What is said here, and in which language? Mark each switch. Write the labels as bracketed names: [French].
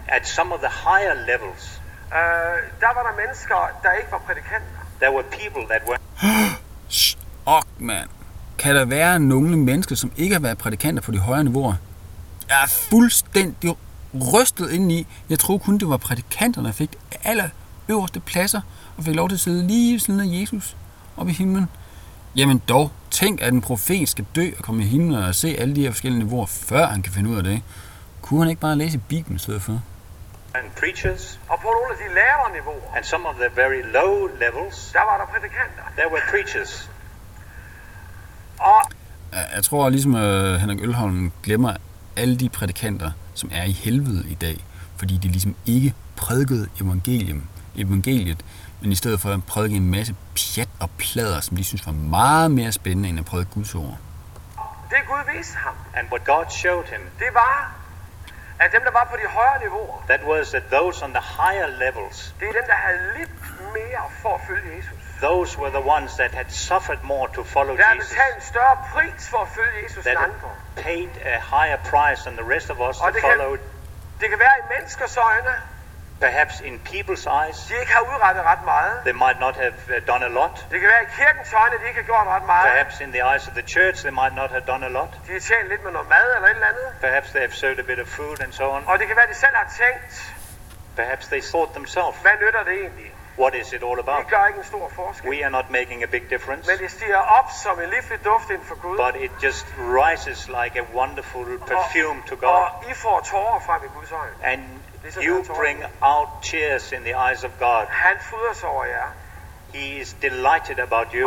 [English] At some of the higher levels. [Danish] Der var der mennesker, der ikke var prædikanter. [English] There were people that were. Shock, man. [Danish] Kan der være nogle mennesker, som ikke har været prædikanter på de højere niveauer? Jeg er fuldstændig rystet indeni. Jeg troede kun, det var prædikanterne, der fik de allerøverste pladser og fik lov til at sidde lige siden af Jesus oppe i himlen. Jamen dog, tænk at en profet skal dø og komme i himlen og se alle de her forskellige niveauer, før han kan finde ud af det. Kunne han ikke bare læse Bibelen i stedet for? [English] And preachers. [Danish] Og på nogle af de lavere niveauer. [English] And some of the very low levels. [Danish] Der var der prædikanter. [English] There were preachers. [Danish] Og jeg tror ligesom Henrik Ølholm glemmer alle de prædikanter, som er i helvede i dag. Fordi de ligesom ikke prædikede evangeliet. men i stedet for at prædike en masse pjat og plader, som de synes var meget mere spændende end at prædike Guds ord. Det Gud viste ham, [English] and what God showed him, [Danish] det var, at dem der var på de højere niveauer, [English] that was that those on the higher levels, [Danish] det er dem der havde lidt mere for at følge Jesus. [English] Those were the ones that had suffered more to follow [Danish] der [English] Jesus. [Danish] Der havde betalt en større pris for at følge Jesus end andre. [English] Paid a higher price than the rest of us that followed. [Danish] Det kan være i menneskers øjne. [English] Perhaps in people's eyes. [Danish] De ikke har udrettet ret meget. [English] They might not have done a lot. [Danish] Det kan være i kirkens øjne, de ikke har gjort ret meget. [English] Perhaps in the eyes of the church, they might not have done a lot. [Danish] De har tjent lidt med noget mad eller et eller andet. [English] Perhaps they have served a bit of food and so on. [Danish] Og det kan være, de selv har tænkt. [English] Perhaps they thought themselves. [Danish] Hvad nytter det egentlig? [English] What is it all about? [Danish] Det gør ikke en stor forskel. [English] We are not making a big difference. [Danish] Men det stiger op som en livlig duft ind for Gud. [English] But it just rises like a wonderful perfume to God. [Danish] Og I får tårer frem i Guds øjne. [English] And you bring out tears in the eyes of God. [Danish] Han fryder sig over jer. [English] He is delighted about you.